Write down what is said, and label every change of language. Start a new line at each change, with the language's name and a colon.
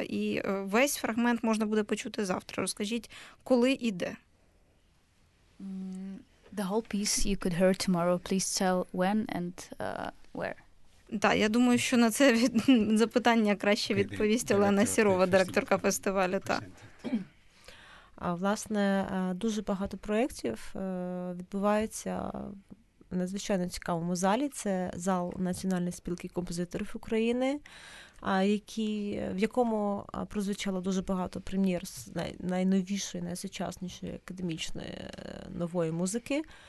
Ukrainian: І весь фрагмент можна буде почути завтра. Розкажіть, коли і де?
English: The whole piece you could hear tomorrow. Please tell when and where.
Ukrainian: Так, я думаю, що на це запитання краще відповість Олена Сірова, директорка фестивалю. Так. Власне, дуже багато проєктів відбувається в надзвичайно цікавому залі. Це зал Національної спілки композиторів України, в якому прозвучало дуже багато прем'єр з найновішої, найсучаснішої академічної нової музики.